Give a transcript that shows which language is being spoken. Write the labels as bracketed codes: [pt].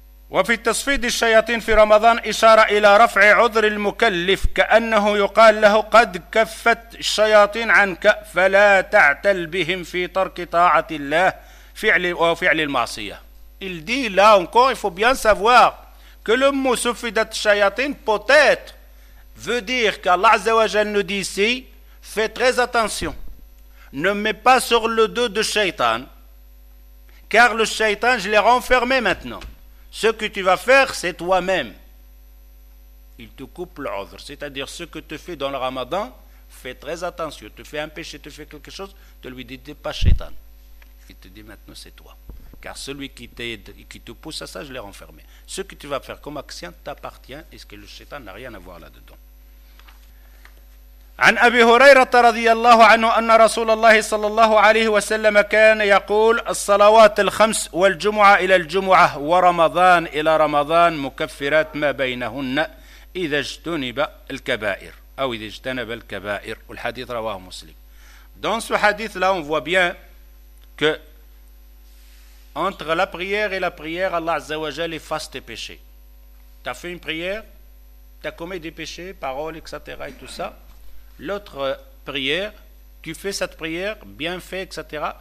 [ar] وفي تصفيد الشياطين في رمضان إشارة إلى رفع عذر المكلف كأنه يقال له قد كفت الشياطين عنك فلا تعتل بهم في ترك طاعة الله فعل وفعل المعصية. [fr] Il dit là encore, il faut bien savoir que le mot soufidat shayatin peut-être veut dire qu'Allah Azza wa Jal nous dit ici, fais très attention, ne mets pas sur le dos de shaytan, car le shaytan je l'ai renfermé maintenant. Ce que tu vas faire, c'est toi-même. Il te coupe l'ordre. C'est-à-dire, ce que tu fais dans le ramadan, fais très attention. Tu fais un péché, tu fais quelque chose, ne lui dis pas shaitan. Il te dit maintenant, c'est toi. Car celui qui t'aide et qui te pousse à ça, je l'ai renfermé. Ce que tu vas faire comme action t'appartient. Est-ce que le shaitan n'a rien à voir là-dedans? [ar] عن أبي هريرة رضي الله عنه أن رسول الله صلى الله عليه وسلم كان يقول الصلوات الخمس والجمعة إلى الجمعة ورمضان إلى رمضان مكفرات ما بينهن إذا اجتنب الكبائر أو إذا اجتنب الكبائر والحديث رواه مسلم. [fr] Dans ce hadith là on voit bien que entre la prière et la prière Allah عز وجل efface tes péchés. T'as fait une prière, t'as commis des péchés, paroles etc et tout ça. L'autre prière, tu fais cette prière, bien fait, etc.